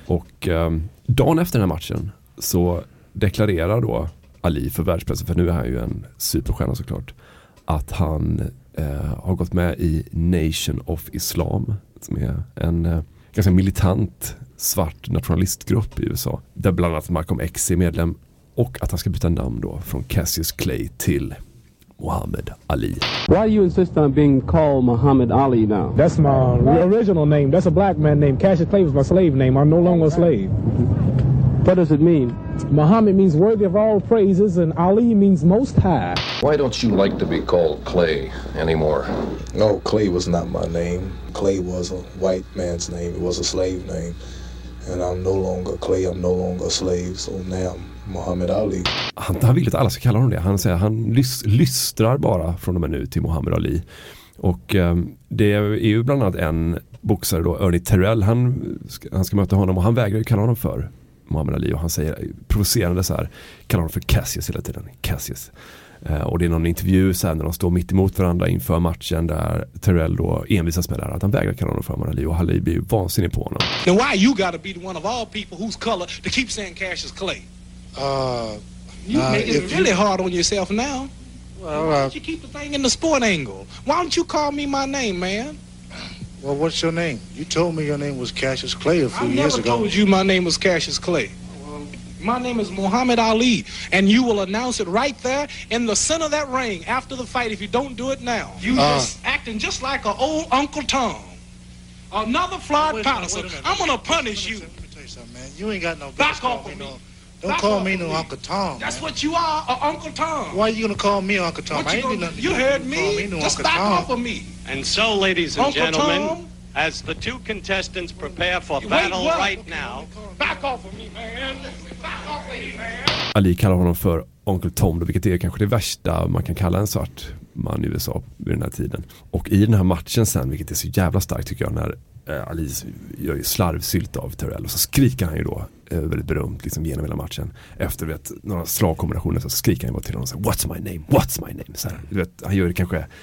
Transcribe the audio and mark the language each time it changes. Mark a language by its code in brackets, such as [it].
[sv] Och dagen efter den här matchen så deklarerar då Ali för världspressen, för nu är han ju en superstjärna såklart, att han har gått med i Nation of Islam, som är en ganska militant svart nationalistgrupp i USA, där bland annat Malcolm X är medlem, och att han ska byta namn då från Cassius Clay till Muhammad Ali. [en] Why do you insist on being called Muhammad Ali now? That's my original name. That's a black man name. Cassius Clay was my slave name. I'm no longer a slave. What does it mean? Muhammad means worthy of all praises, and Ali means most high. Why don't you like to be called Clay anymore? No, Clay was not my name. Clay was a white man's name. It was a slave name. And I'm no longer Clay. I'm no longer a slave. So now I'm Muhammad Ali. [sv] Han vill att alla ska kalla honom det. Han säger han lystrar bara från och med nu till Muhammad Ali. Och det är ju bland annat en boxare då, Ernie Terrell. Han ska möta honom, och han vägrar ju kalla honom för Muhammad Ali, och han säger provocerande så här, kallar honom för Cassius hela tiden, Cassius. Och det är någon intervju sen när de står mitt emot varandra inför matchen, där Terrell då envisas med det här, att han vägrar kalla honom för Muhammad Ali, och Ali blir ju vansinnig på honom. [en] Then why you gotta be the one of all people whose color to keep saying Cassius Clay? You make it really hard on yourself now. Well, why don't you keep the thing in the sport angle? Why don't you call me my name, man? Well, what's your name? You told me your name was Cassius Clay a few years ago. I never told you my name was Cassius Clay. My name is Muhammad Ali, and you will announce it right there in the center of that ring after the fight if you don't do it now. You just acting just like an old Uncle Tom. Another Floyd Patterson. I'm going to punish you. Let me tell you something, man. You ain't got no back off of me. Don't call me no Uncle Tom. That's what you are, Uncle Tom. Why are you going to call me Uncle Tom? I ain't doing nothing. You heard me? Just back off of me. And so, ladies and gentlemen, as the two contestants prepare for battle right now. Back off of me, man. Back off of me, man. [sv] Ali kallar honom för Uncle Tom, vilket är kanske det värsta man kan kalla en svart man i USA vid den här tiden. Och i den här matchen sen, vilket är så jävla starkt tycker jag, när Ali gör ju slarvsylt av Terrell, och så skriker han ju då väldigt berömt liksom genom hela matchen efter, vet, några slagkombinationer, så skriker han ju bara till honom så här, [en] what's my name, what's my name, [sv] så här, vet, han gör det kanske